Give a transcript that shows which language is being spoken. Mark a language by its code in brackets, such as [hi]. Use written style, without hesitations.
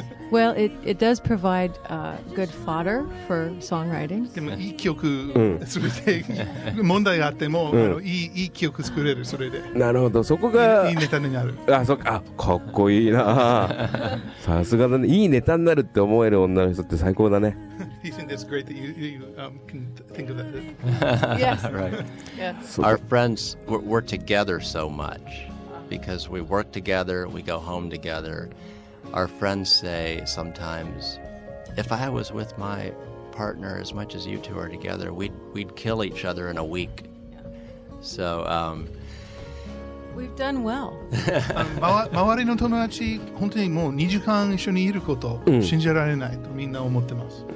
[en] Well, it does provide good fodder for songwriting. [ja] でもいい曲作れて、問題があっても、いい曲作れる、それで。なるほど、そこがいいネタになる。あ、そっか、かっこいいな。さすがだね。いいネタになるって思える女の人って最高だね。 [en] He thinks it's great that you can think of that. Yes. Right. Yeah. Our friends, we're together so much. Because we work together, we go home together. Our friends say sometimes, if I was with my partner as much as you two are together, we'd kill each other in a week. So, we've done well. [ja] 周りの友達、本当にもう2時間一緒にいること信じられないとみんな思ってます。